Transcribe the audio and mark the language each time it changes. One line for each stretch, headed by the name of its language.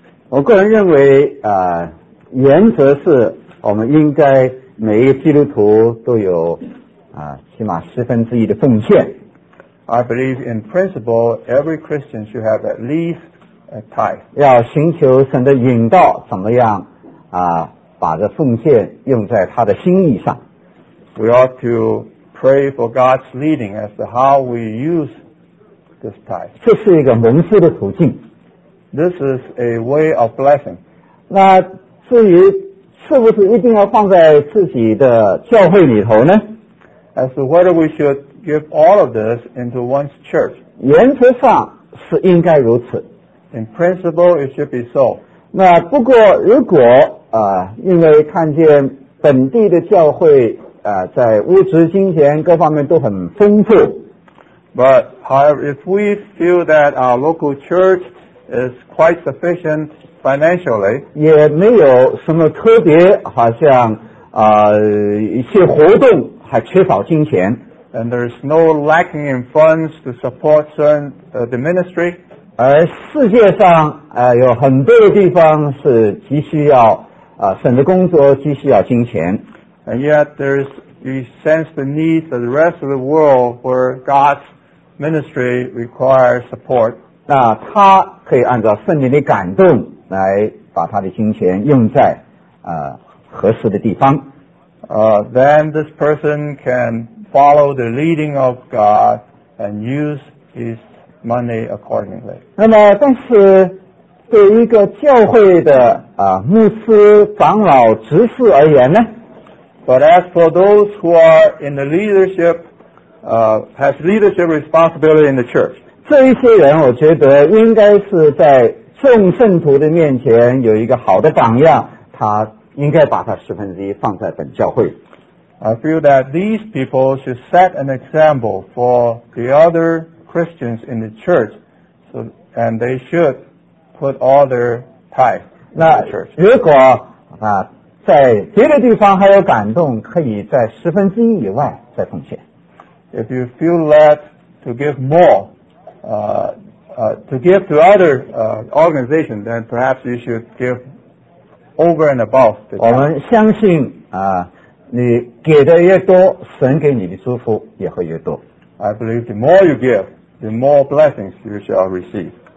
Chinese: 我个人认为原则是我们应该每一个基督徒都有起码十分之一的奉献。
English: I believe in principle, every Christian should have at least a tithe.
Chinese: 要寻求神的引导，怎么样把这奉献用在他的心意上。
English: We ought to pray for God's leading as to how we use this tithe.
Chinese: 这是一个蒙福的途径。
English: This is a way of blessing.
Chinese: 那至于是不是一定要放在自己的教会里头呢？
English: As to whether we should give all of this into one's church.
Chinese: 原则上是应该如此。
English: In principle, it should be so.
Chinese: 那不过如果因为看见本地的教会在物质金钱各方面都很丰富。
English: But however, if we feel that our local church is quite sufficient financially,
Chinese: 也没有什么特别好像一些活动还缺少金钱。
English: And there is no lacking in funds to support certain, the ministry.
Chinese: 而世界上有很多的地方是急需要神的工作急需要金钱。
English: And yet there is, we sense the need for the rest of the world where God's ministry requires support.
Chinese: 那他可以按照圣灵的感动来把他的金钱用在合适的地方。
English: Then this person can follow the leading of God and use his money accordingly.
Chinese: 那么但是对一个教会的牧师长老执事而言呢，
English: But as for those who are in the leadership, has leadership responsibility in the church.
Chinese: 这一些人我觉得应该是在众圣徒的面前有一个好的榜样，他应该把他十分之一放在本教会。
English: I feel that these people should set an example for the other Christians in the church, so, and they should put all their tithe in the church.
Chinese: 如果在别的地方还有感动，可以在十分之一以外再奉献。
English: If you feel led to give more, to give to other organizations, then perhaps you should give over and above the tithe.
Chinese: 我们相信你给的越多，神给你的祝福也会越多。
English: I believe the more you give, the more blessings you shall receive.